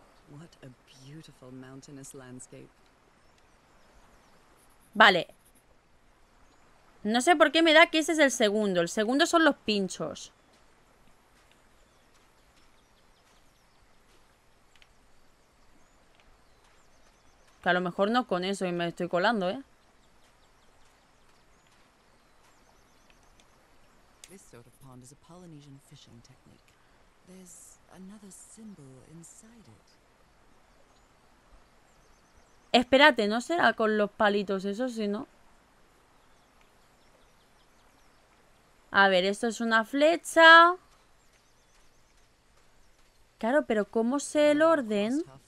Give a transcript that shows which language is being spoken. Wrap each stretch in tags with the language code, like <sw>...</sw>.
<en>What a beautiful mountainous landscape.</en> <es>Vale. No sé por qué me da que ese es el segundo. El segundo son los pinchos. Que a lo mejor no con eso y me estoy colando, ¿eh?</es> <en>Is a Polynesian fishing technique. There's another symbol inside it.</en> <es>Espérate, ¿no será con los palitos eso, si no? A ver, esto es una flecha. Claro, pero ¿cómo sé el orden?</es>